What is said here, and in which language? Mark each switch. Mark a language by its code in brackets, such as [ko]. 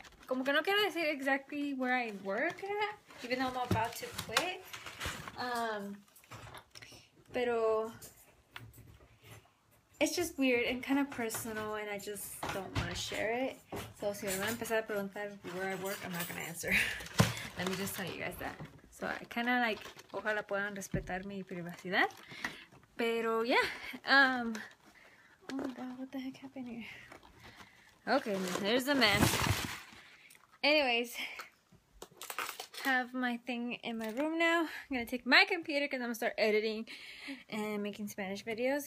[es] como que no quiero decir [en] exactly where I work at, even though I'm about to quit. Pero it's just weird and kind of personal, and I just don't want to share it. So [es] si me van a empezar a preguntar [en] where I work, I'm not gonna answer. Let me just tell you guys that. So I kind of like, [es] ojalá puedan respetar mi privacidad. [en] Pero yeah. Oh my god, what the heck happened here? Okay, there's the man. Anyways, have my thing in my room now. I'm gonna take my computer because I'm gonna start editing and making Spanish videos.